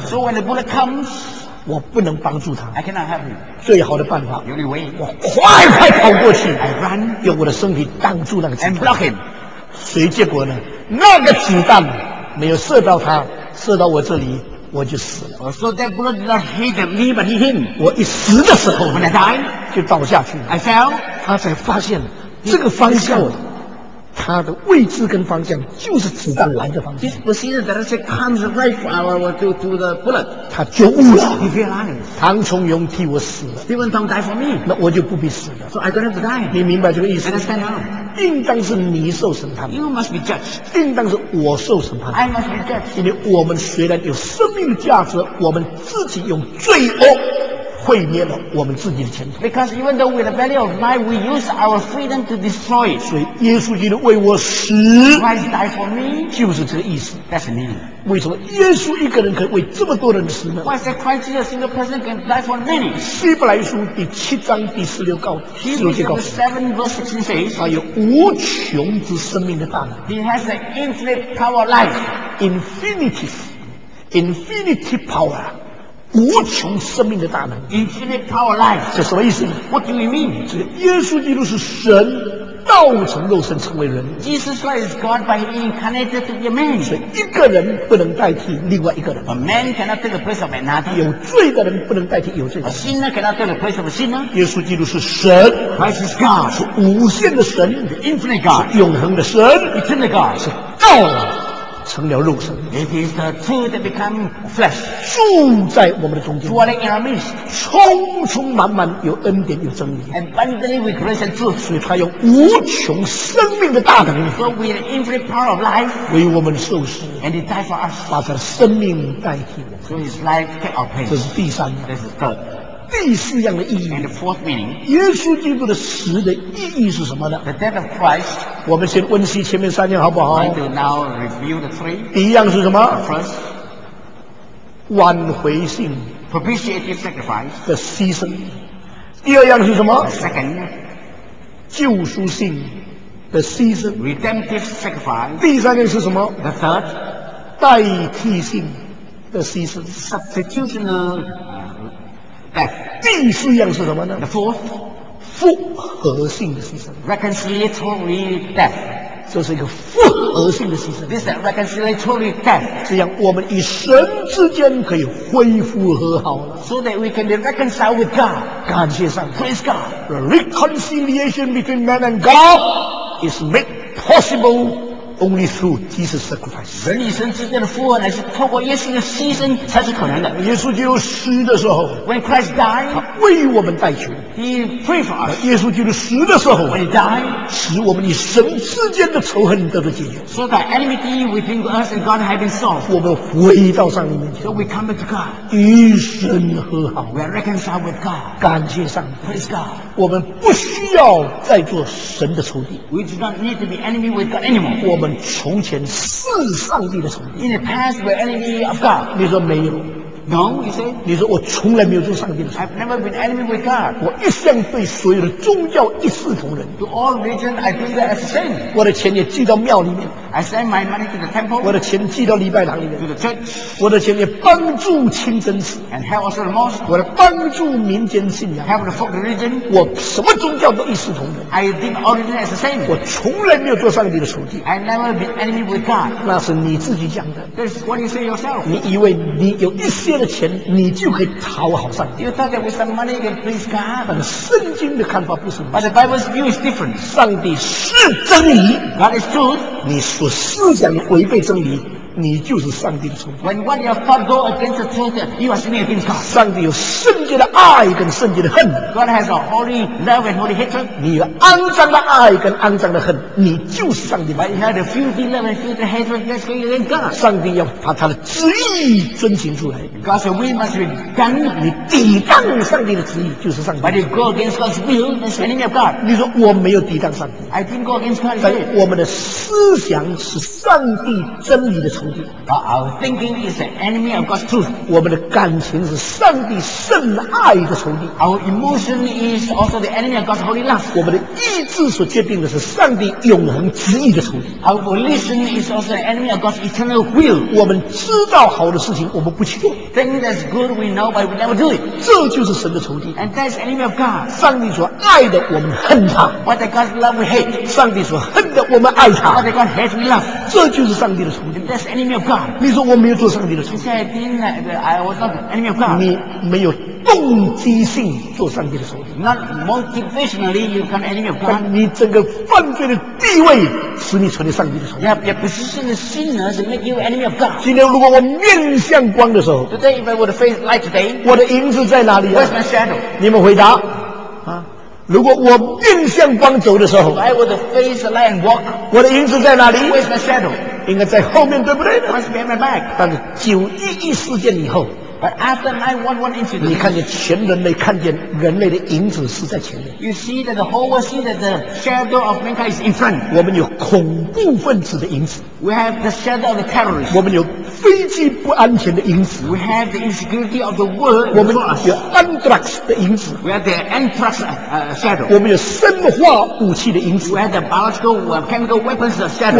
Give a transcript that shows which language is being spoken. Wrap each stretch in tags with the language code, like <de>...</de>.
<en>So when the bullet comes</en> <zh>我不能帮助他</zh> <en>I cannot help you</en> <zh>最好的办法</zh> <en>The only way</en> <zh>我快快跑过去</zh> <en>I run</en> <zh>用我的身体挡住那个子弹</zh> <en>And block him</en> <zh>所以结果呢那个子弹没有射到他射到我这里我就死了</zh> <en>So that bullet did not hit me but hit him</en> <zh>我一死的时候</zh> <en>When I die</en> <zh>就倒下去</zh> <en>I fell</en> <zh>他才发现这个方向它的位置跟方向就是子弹来的方向。</zh> <en>This position that it comes right for our to the bullet。</en> <zh>他觉悟了。</zh> <en>He realized。</en> <zh>唐崇荣替我死了。</zh> <en>Stephen Tong died for me。</en> <zh>那我就不必死了。</zh> <en>So I don't have to die。</en> <zh>你明白这个意思</zh> <en>？Understand now。</en> <zh>应当是你受审判。</zh> <en>You must be judged。</en> <zh>应当是我受审判。</zh> <en>I must be judged。</en> <zh>因为我们虽然有生命的价值，我们自己用罪恶毁灭了我们自己的前途。</zh> <en>Because even though with the value of life, we use our freedom to destroy it.</en> <zh>所以耶稣基督为我死</zh> <en>，Christ died for me，</en> <zh>就是这个意思。</zh> <en>That's the meaning.</en> <zh>为什么耶稣一个人可以为这么多人死呢</zh> <en>？Why is that Christ Jesus single person can die for many？</en> <zh>希伯来书第七章第十六告，十六节告诉。</zh> <en>Seven verse sixteen says，</en> <zh>他有无穷之生命的大能。</zh> <en>He has an infinite power of life. Infinity power。</en> <zh>无穷生命的大能</zh> <en>infinite power life</en> <zh>这什么意思</zh> <en>what do you mean</en> <zh>这个耶稣基督是神道成肉身成为人</zh> <en>Jesus Christ is God by incarnated to be a man</en> <zh>所以一个人不能代替另外一个人</zh> <en>a man cannot take the place of another</en> <zh>有罪的人不能代替有罪的人</zh> <en>a sinner cannot take the place of a sinner</en> <zh>耶稣基督是神</zh> <en>Christ is God</en> <zh>是无限的神</zh> <en>the infinite God</en> <zh>是永恒的神</zh> <en>eternal God</en> <zh>是道成了肉身</zh> <en>It is the truth that become flesh</en> <zh>住在我们的中间</zh> <en>Dwelling in our midst</en> <zh>充充满满有恩典有真理</zh> <en>Abundantly with grace and truth</en> <zh>所以他有无穷生命的大能</zh> <en>So with infinite power of life</en> <zh>为我们受死</zh> <en>And he died for us</en> <zh>把他的生命代替我</zh> <en>So his life take our place</en> <zh>这是第三</zh> <en>This is third</en> <zh>第四样的意义</zh> <en>And the fourth meaning</en> <zh>耶稣基督的死的意义是什么呢</zh> <en>The death of Christ</en> <zh>我们先温习前面三样好不好</zh> <en>I will now review the three</en> <zh>第一样是什么</zh> <en>First</en> <zh>挽回性</zh> <en>Propitiative sacrifice The season</en> <zh>第二样是什么</zh> <en>Second</en> <zh>救赎性</zh> <en>The season Redemptive sacrifice</en> <zh>第三样是什么</zh> <en>The third</en> <zh>代替性</zh> <en>The season Substitutional</en> <zh>第四样是什么呢</zh> <en>？The fourth，</en> <zh>复合性的牺牲</zh> <en>，reconciliatory death，</en> <zh>这是一个复合性的牺牲。</zh> <en>This is a reconciliatory death，</en> <zh>这样我们与神之间可以恢复和好。</zh> <en>So that we can be reconciled with God，</en> <zh>感谢上帝</zh> <en>，Praise God。 The reconciliation between man and God is made possible。 Only through Jesus' sacrifice.</en> <zh>人与神之间的复合乃是透过耶稣的牺牲才是可能的。耶稣基督死的时候</zh> <en>，When Christ died，</en> <zh>他为我们代求。</zh> <en>He prayed for us.</en> <zh>耶稣基督死的时候</zh> <en>，When he died，</en> <zh>使我们与神之间的仇恨得到解决。</zh> <en>So that enmity between us and God has been solved.</en> <zh>我们回到上帝面前。</zh> <en>So we come back to God.</en> <zh>与神和好。</zh> <en>We are reconciled with God.</en> <zh>感谢上帝。</zh> <en>Praise God.</en> <zh>我们不需要再做神的仇敌。</zh> <en>We do not need to be enemy with God anymore.</en> <zh>我们从前是上帝的仇敌。</zh> <en>In the past, we were enemy of God.</en> <zh>你说没有。</zh> <en>No, you say.</en> <zh>你说我从来没有做上帝的仇敌。</zh> <en>I've never been enemy with God.</en> <zh>我一向对所有的宗教一视同仁。</zh> <en>To all religion, I do that as the same.</en> <zh>我的钱也寄到庙里面。</zh> <en>I send my money to the temple.</en> <zh>我的钱寄到礼拜堂里面。</zh> <en>To the church.</en> <zh>我的钱也帮助清真寺。</zh> <en>And help also the mosque.</en> <zh>我的帮助民间信仰。</zh> <en>Help the folk religion.</en> <zh>我什么宗教都一视同仁。</zh> <en>I did all religion as the same.</en> <zh>我从来没有做上帝的仇敌。</zh> <en>I never been enemy with God.</en> <zh>那是你自己讲的。</zh> <en>That's what you say yourself.</en> <zh>你以为你有一些。借了钱，你就可以讨好上帝。</zh> <en>You thought that with some money you can please God.</en> <zh>但圣经的看法不是。</zh> <en>But the Bible's view is different.</en> <zh>上帝是真理。</zh> <en>God is truth.</en> <zh>你所思想违背真理，你就是上帝的仇敌。</zh> <en>When what you thought go against the truth, you are sinning against God.</en> <zh>上帝有圣洁的爱跟圣洁的恨。</zh> <en>God has a holy love and holy hatred.</en> <zh>你有肮脏的爱跟肮脏的恨，你就是上帝的。</zh> <en>But you have a filthy love and filthy hatred. That's going against God.</en> <zh>上帝要把他的旨意遵行出来。</zh> <en>God's will must be done.</en> <zh>你抵挡上帝的旨意就是上帝。</zh> <en>But you go against God's will, that's enemy of God.</en> <zh>你说我没有抵挡上帝。</zh> <en>I didn't go against God.</en> <zh>但我们的思想是上帝真理的仇敌。</zh> <en>But our thinking is an enemy of God's truth.</en> <zh>我们的感情是上帝圣爱的仇敌。</zh> <en>Our emotion is also the enemy of God's holy love.</en> <zh>我们的意志所决定的是上帝永恒旨意的仇敌。</zh> <en>Our volition is also the enemy of God's eternal will.</en> <zh>我们知道好的事情，我们不去做。</zh> <en>Thing that's good we know but we never do it.</en> <zh>这就是神的仇敌。</zh> <en>And that's enemy of God.</en> <zh>上帝所爱的我们恨他。</zh> <en>What the God's love we hate.</en> <zh>上帝所恨的我们爱他。</zh> <en>What the God hates we love.</en> <zh>这就是上帝的仇敌。</zh> <en>And that's enemy of God.</en> <zh>你说我没有做上帝的仇敌。</zh> <en>You said I was not enemy of God.</en> <zh>你没有动机性做上帝的首领。</zh> <en>Not motivationally you become enemy of God。</en> <zh>但你整个犯罪的地位使你成为上帝的首领。</zh> <en>Your position as sinner to make you enemy of God。</en> <zh>今天如果我面向光的时候</zh> <en>，Today if I were to face light today，</en> <zh>我的影子在哪里啊</zh> <en>？Where's my shadow？</en> <zh>你们回答。如果我面向光走的时候</zh> <en>，I would face the light walk。</en> <zh>我的影子在哪里</zh> <en>？Where's my shadow？</en> <zh>应该在后面，对不对</zh> <en>？Where's behind my back？</en> <zh>但是911事件以后</zh> <en>，But after 911 incident，</en> <zh>你看见全人类看见人类的影子是在前面。</zh> <en>You see that the whole world see that the shadow of mankind is in front。</en> <zh>我们有恐怖分子的影子。</zh> <en>We have the shadow of the terrorists。</en> <zh>我们有飞机不安全的影子。</zh> <en>We have the insecurity of the world。</en> <zh>我们有 anthrax 的影子。</zh> <en>We have the anthrax shadow。</en> <zh>我们有生化武器的影子。</zh> <en>We have the biological chemical weapons shadow。</en>